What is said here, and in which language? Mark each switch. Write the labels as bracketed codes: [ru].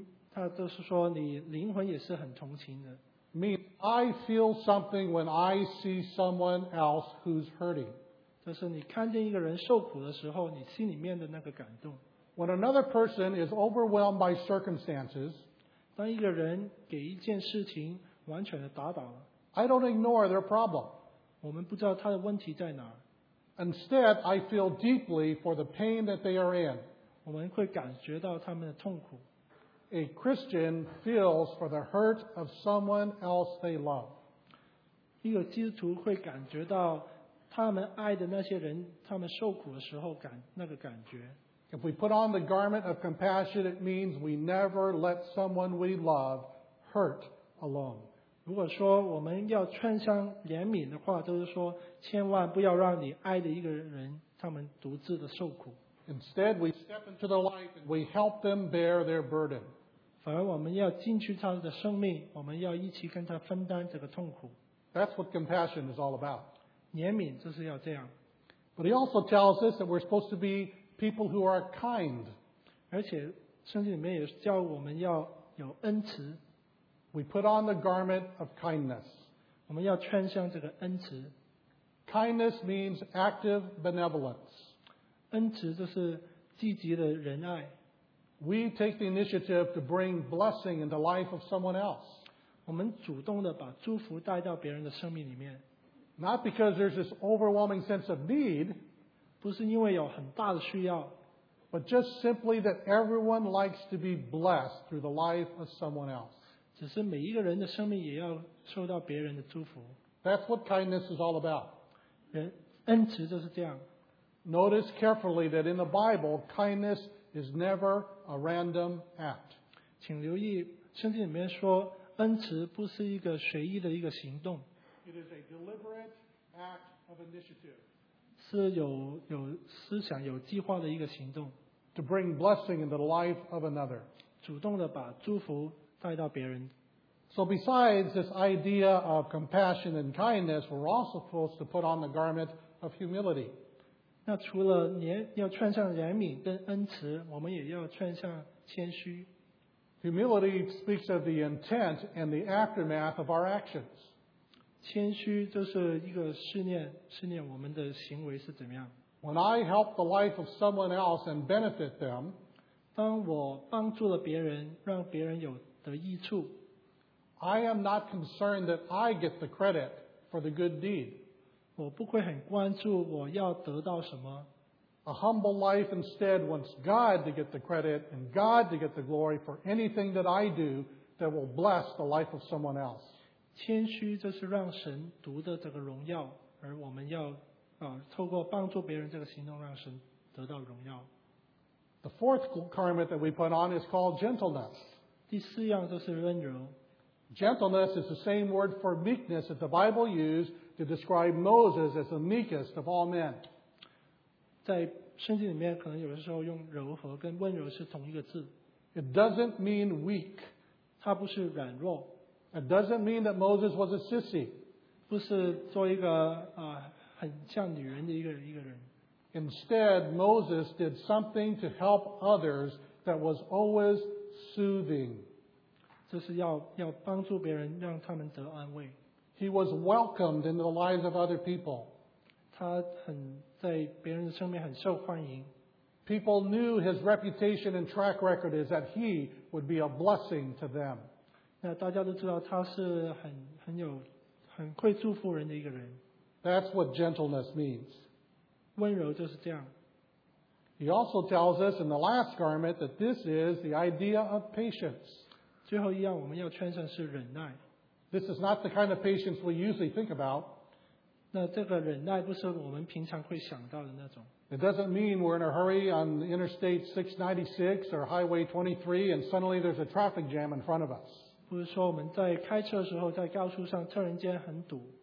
[zh] 它就是说你灵魂也是很同情的。 [en] It means I feel something when I see someone else who's hurting. [zh] 就是你看见一个人受苦的时候你心里面的那个感动。 [en] When another person is overwhelmed by circumstances, [zh] 当一个人给一件事情完全的打倒了。 [en] I don't ignore their problem. [zh] 我们不知道他的问题在哪儿。 [en] Instead, I feel deeply for the pain that they are in. [zh] 我们会感觉到他们的痛苦。 [en] A Christian feels for the hurt of someone else they love. [zh] 一个基督徒会感觉到他们爱的那些人，他们受苦的时候那个感觉。 [en] If we put on the garment of compassion, it means we never let someone we love hurt alone. [zh] 如果说我们要穿上怜悯的话，就是说千万不要让你爱的一个人他们独自的受苦。 [en] Instead, we step into their life and we help them bear their burden. [zh] 反而我们要进去他的生命，我们要一起跟他分担这个痛苦。 [en] That's what compassion is all about. [zh] 怜悯就是要这样。 [en] But he also tells us that we're supposed to be people who are kind. [zh] 而且圣经里面也叫我们要有恩慈。 [en] We put on the garment of kindness. [zh] 我们要穿上这个恩慈。 [en] Kindness means active benevolence. [zh] 恩慈就是积极的仁爱。 [en] We take the initiative to bring blessing into the life of someone else. [zh] 我们主动的把祝福带到别人的生命里面。 [en] Not because there's this overwhelming sense of need. [zh] 不是因为有很大的需要。 [en] But just simply that everyone likes to be blessed through the life of someone else. [zh] 只是每一个人的生命也要受到别人的祝福。 [en] That's what kindness is all about. [zh] 恩慈就是这样。 [en] Notice carefully that in the Bible, kindness is never a random act. [zh] 请留意，圣经里面说，恩慈不是一个随意的一个行动。 [en] It is a deliberate act of initiative. [zh] 是有思想、有计划的一个行动。 [en] To bring blessing into the life of another. [zh] 主动的把祝福带到别人。 [en] So besides this idea of compassion and kindness, we're also supposed to put on the garment of humility. [zh] 那除了要穿上怜悯跟恩慈，我们也要穿上谦虚。 [en] Humility speaks of the intent and the aftermath of our actions. [zh] 谦虚就是一个试炼我们的行为是怎么样。 [en] When I help the life of someone else and benefit them, [zh] 当我帮助了别人，让别人有的益处。 [en] I am not concerned that I get the credit for the good deed. [zh] 我不会很关注我要得到什么。 [en] A humble life instead wants God to get the credit and God to get the glory for anything that I do that will bless the life of someone else. [zh] 谦虚就是让神独得这个荣耀，而我们要透过帮助别人这个行动让神得到荣耀。 [en] The fourth garment that we put on is called gentleness. [zh] 第四样就是温柔。 [en] Gentleness is the same word for meekness that the Bible used to describe Moses as the meekest of all men. [zh] 在圣经里面可能有的时候用柔和跟温柔是同一个字。 [en] It doesn't mean weak. [zh] 它不是软弱。 [en] It doesn't mean that Moses was a sissy. [zh] 不是做一个很像女人的一个人。 [en] Instead, Moses did something to help others that was always soothing. [zh] 就是要帮助别人，让他们得安慰。 [en] He was welcomed into the lives of other people. [zh] 他很在别人的生命很受欢迎。 [en] People knew his reputation and track record is that he would be a blessing to them. [zh] 那大家都知道他是很会祝福人的一个人。 [en] That's what gentleness means. [zh] 温柔就是这样。 [en] He also tells us in the last garment that this is the idea of patience. [zh] 最后一样我们要穿上是忍耐。 [en] This is not the kind of patience we usually think about. [zh] 那这个忍耐不是我们平常会想到的那种。 [en] It doesn't mean we're in a hurry on Interstate 696 or Highway 23 and suddenly there's a traffic jam in front of us. [zh] 不是说我们在开车的时候在高速上突然间很堵。